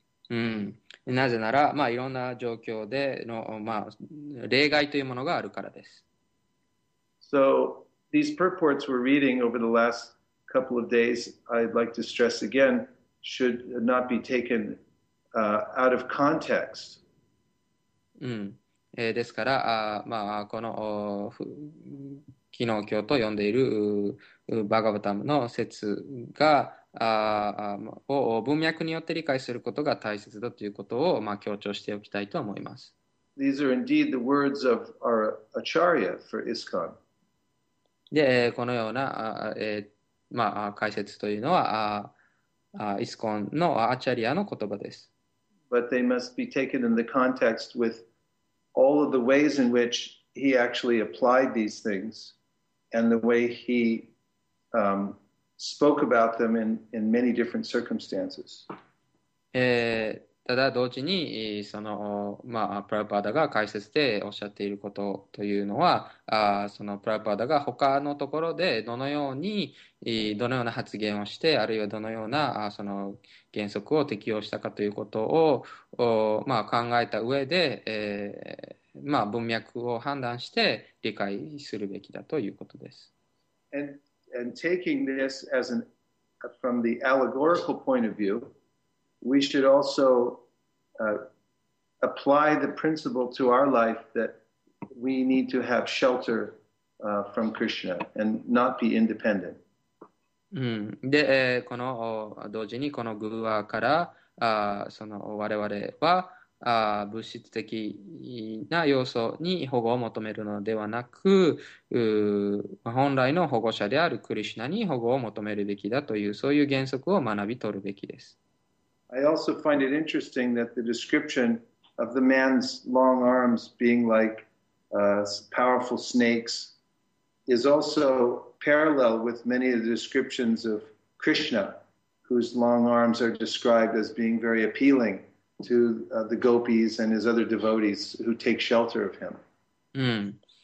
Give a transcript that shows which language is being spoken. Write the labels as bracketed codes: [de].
[ja] うん、なぜなら、まあ、いろんな状況での、まあ、例外というものがあるからです。 [en] So these purports we're reading over the last couple of days, I'd like to stress again, should not be taken out of context. [ja] ですから、まあ、この昨日今日と読んでいるバガヴァタムの説が、を文脈によって理解することが大切だということを、まあ、強調しておきたいと思います。 [en] These are indeed the words of our Acharya for ISKCON. [ja] で、このようなまあ、解説というのはイスコンのアチャリアの言葉です。 [en] But they must be taken in the context with all of the ways in which he actually applied these things and the way he spoke about them in many different circumstances. [ja] ただ同時にその、まあ、プラパーダが解説でおっしゃっていることというのはそのプラパーダが他のところでどのような発言をしてあるいはどのようなその原則を適用したかということを、まあ、考えた上で、まあ、文脈を判断して理解するべきだということです。 [en] And taking this as an, from the allegorical point of view,We should also apply the principle to our life that we need to have shelter from Krishna and not be independent. [ja] で、この同時にこの寓話からその我々は物質的な要素に保護を求めるのではなく、本来の保護者であるクリシュナに保護を求めるべきだというそういう原則を学び取るべきです。 [en] I also find it interesting that the description of the man's long arms being like powerful snakes is also parallel with many of the descriptions of Krishna, whose long arms are described as being very appealing to the gopis and his other devotees who take shelter of him.